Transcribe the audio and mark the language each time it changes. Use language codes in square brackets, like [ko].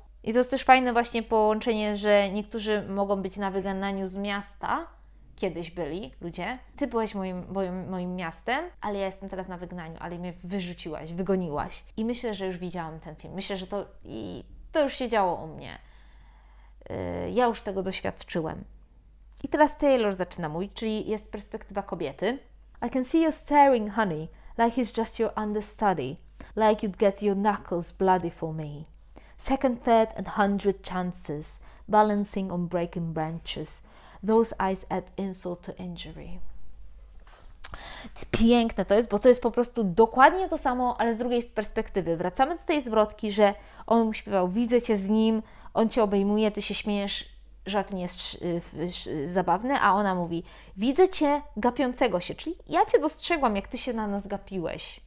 [pl] I to jest też fajne właśnie połączenie, że niektórzy mogą być na wygnaniu z miasta, kiedyś byli ludzie, ty byłeś moim miastem, ale ja jestem teraz na wygnaniu, ale mnie wyrzuciłaś, wygoniłaś. I myślę, że już widziałam ten film, myślę, że to już się działo u mnie. Ja już tego doświadczyłem. I teraz Taylor zaczyna mówić, czyli jest perspektywa kobiety. [en] I can see you staring, honey, like he's just your understudy. Like you'd get your knuckles bloody for me. Second, third and 100 chances, balancing on breaking branches. Those eyes add insult to injury. [pl] Piękne to jest, bo to jest po prostu dokładnie to samo, ale z drugiej perspektywy. Wracamy do tej zwrotki, że on mu śpiewał, widzę cię z nim, on cię obejmuje, ty się śmiejesz, żart nie jest zabawny, a ona mówi, widzę cię gapiącego się, czyli ja cię dostrzegłam, jak ty się na nas gapiłeś.